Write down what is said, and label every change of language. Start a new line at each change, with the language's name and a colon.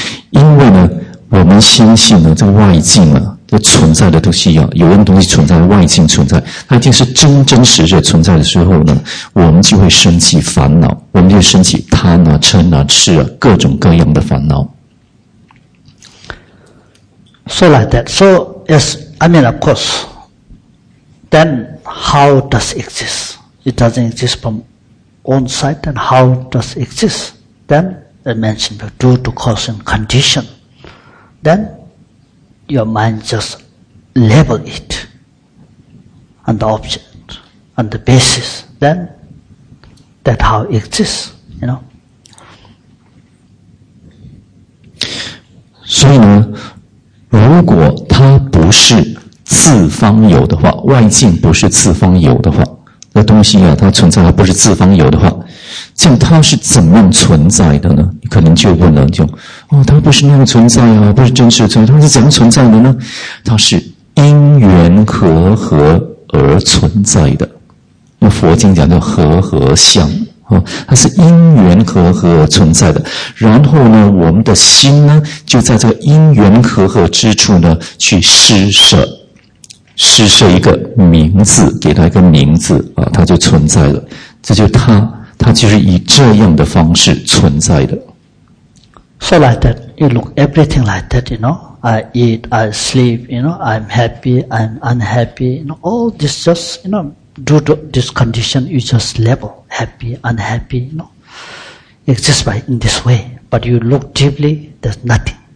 Chinese: 因为呢，我们相信呢，这个外境啊，这存在的东西啊，有样东西存在，外境存在，它一定是真真实实存在的时候呢，我们就会升起烦恼，我们就升起贪啊、嗔啊、痴啊，各种各样的烦恼。
English: So like that. So, yes, I mean, of course, then how does it exist? It doesn't exist from own side, then how does it exist? Then, I mentioned, due to cause and condition, then your mind just label it on the object, on the basis, then that how it exists, you know. So, you know,
Chinese: 如果它不是自方有的话，外境不是自方有的话，那东西啊，它存在它不是自方有的话，这样它是怎么样存在的呢？你可能就问了，就哦，它不是那样存在啊，不是真实的存在，它是怎么存在的呢？它是因缘和合而存在的，那佛经讲叫和合相。它是因缘和合存在的，然后呢，我们的心呢，就在这个因缘和合之处呢，去施舍一个名字，给它一个名字啊，它就存在了。这就是它就是以这样的方式存在的。
English: So like that, you look everything like that, you know. I eat, I sleep, you know. I'm happy, I'm unhappy, you know. All this just, you know. Due to this condition, you just label happy, unhappy, you know. Exist by in this way. But you look deeply, there's nothing.